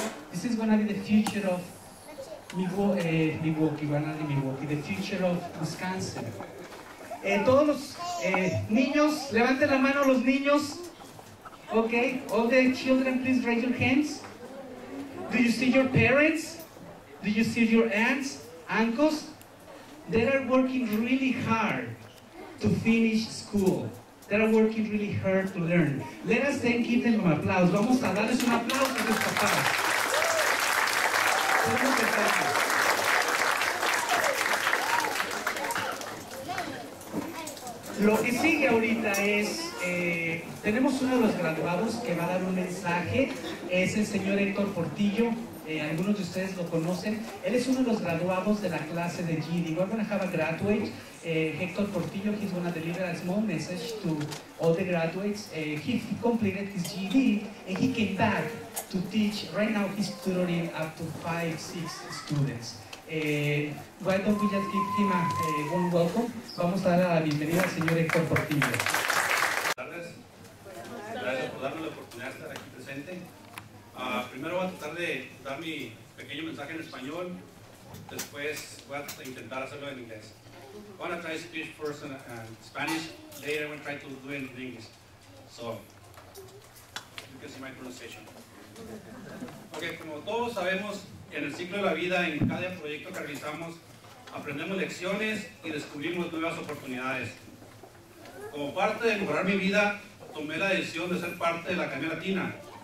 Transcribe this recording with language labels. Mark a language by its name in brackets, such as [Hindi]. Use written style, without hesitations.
[English] This is gonna be the future of Milwaukee, the future of Wisconsin. [Spanish] Todos los niños, levanten la mano los niños. [English] Okay, all the children, please raise your hands. Do you see your parents? Do you see your aunts, uncles? They are working really hard to finish school. They are working really hard to learn. Let us then give them an applause. [Spanish] Vamos a darles un aplauso a sus papás. Lo que sigue ahorita es, tenemos uno de los graduados que va a dar un mensaje, es el señor Héctor Portillo. Algunos de ustedes lo conocen. Él es uno de los graduados de la clase de GED. [English] We're going to have a graduate, Héctor Portillo. He's going to deliver a small message to all the graduates. He completed his GED and he came back to teach. Right now he's tutoring up to 5-6 students. Why don't we just give him a warm welcome? [Spanish] Vamos a dar la bienvenida al señor Héctor Portillo. Buenas tardes. Gracias por darme la oportunidad de estar aquí presente. Primero voy a tratar de dar mi pequeño mensaje en español, después voy a intentar hacerlo en inglés. [English] I'm going to try to speak first in Spanish, later I'm going to try to do it in English. So, you can see my pronunciation. [Spanish] Ok, como todos sabemos, en el ciclo de la vida, en cada proyecto que realizamos, aprendemos lecciones y descubrimos nuevas oportunidades. Como parte de mejorar mi vida, tomé la decisión de ser parte de la Academia Latina.